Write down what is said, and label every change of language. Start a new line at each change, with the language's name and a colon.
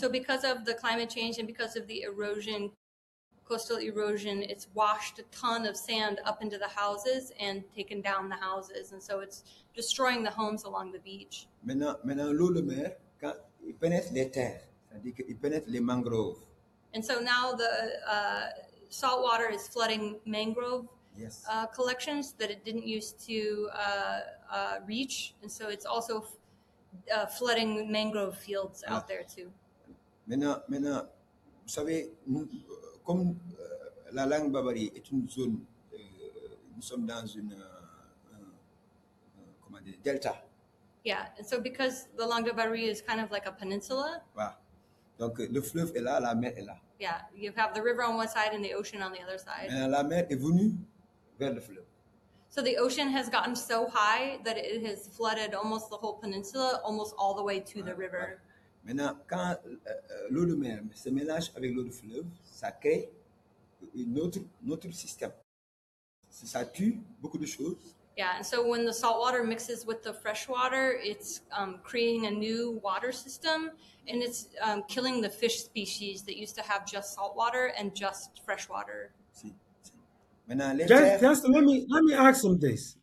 English: So because of the climate change and because of the erosion, coastal erosion, it's washed a ton of sand up into the houses and taken down the houses. And so it's destroying the homes along the beach.
French: Maintenant l'eau de mer, quand il pénètre les terres, c'est-à-dire qu'il pénètre les mangroves.
English: And so now the salt water is flooding mangrove yes. Collections that it didn't used to reach. And so it's also flooding mangrove fields ah. out there too.
French: Maintenant, vous savez, nous, comme la langue Barbary est une zone, nous sommes dans une comment dire, delta.
English: Yeah, and so because the langue de Barbary is kind of like a peninsula. Ah.
French: Donc le fleuve est là, la mer est là.
English: Yeah, you have the river on one side and the ocean on the other side.
French: Maintenant, la mer est venue vers le fleuve.
English: So the ocean has gotten so high that it has flooded almost the whole peninsula, almost all the way to the river.
French: Maintenant, quand l'eau de mer se mélange avec l'eau du fleuve, ça crée un autre système. Ça tue beaucoup de choses.
English: Yeah, and so when the salt water mixes with the fresh water, it's creating a new water system, and it's killing the fish species that used to have just salt water and just fresh water. Let me ask him this.